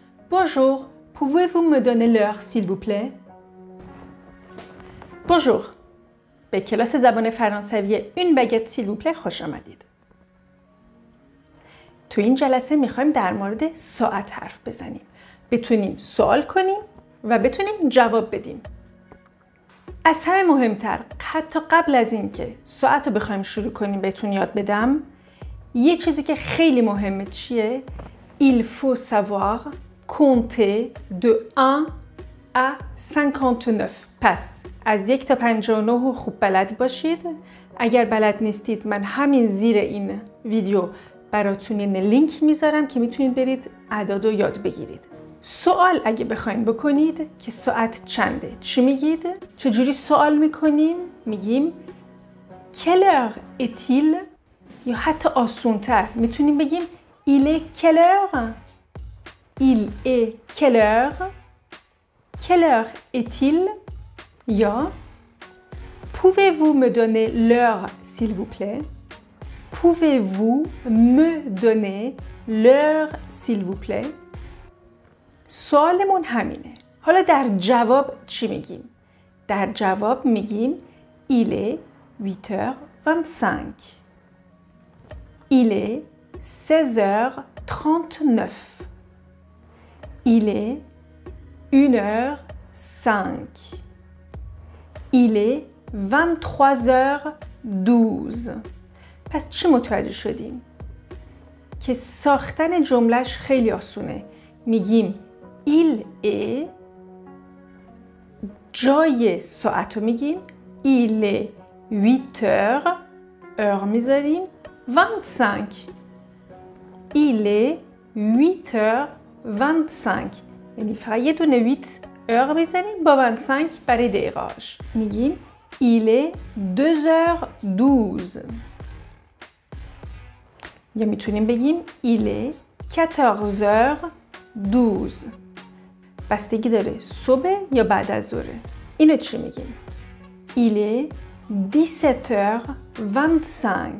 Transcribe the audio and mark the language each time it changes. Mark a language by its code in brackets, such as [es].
[fr] Bonjour, pouvez-vous me donner l'heure, s'il vous plaît? Bonjour. [fa] به کلاس زبان فرانسوی این بگت سیل و پلی خوش آمدید. تو این جلسه میخوایم در مورد ساعت حرف بزنیم. بتونیم سوال کنیم و بتونیم جواب بدیم. از همه مهمتر، حتی قبل از این که ساعت رو بخوایم شروع کنیم بهتون یاد بدم، یه چیزی که خیلی مهمه چیه؟ [fr] Il faut savoir compter de 1 à 59. [fa] پس از 1 تا 59 خوب بلد باشید. اگر بلد نیستید من همین زیر این ویدیو براتون این لینک میذارم که میتونید برید اعداد رو یاد بگیرید. سوال اگه بخواییم بکنید که ساعت چنده چی میگید؟ چجوری سوال میکنیم؟ میگیم [fr] quelle heure est-il؟ [fa] یا حتی آسونتر میتونیم بگیم [fr] il est quelle heure؟ il est quelle heure؟ quelle heure est-il؟ یا pouvez-vous me donner l'heure s'il vous plaît؟ pouvez-vous me donner l'heure s'il vous plaît؟ [fa] سوالمون همینه. حالا در جواب چی میگیم؟ در جواب میگیم [fr] il est 8h25. il est 16h39. il est 1h05. il est 23h12. [fa] پس چی متوجه شدیم؟ که ساختن جملهش خیلی آسونه. میگیم [fr] il est [fa] جای ساعت رو میگیم [fr] il est 8h [fa] هر میذاریم 25. [fr] il est 8h25. [fa] یعنی فقط یه دونه 8 هر میذاریم با 25 برای دقیقه‌اش. میگیم [fr] il est 2h12. [fa] یا میتونیم بگیم [fr] il est 14h12. [fa] بستگی داره صبح یا بعد از ظهره. اینو چی میگیم؟ [fr] il est 17h25.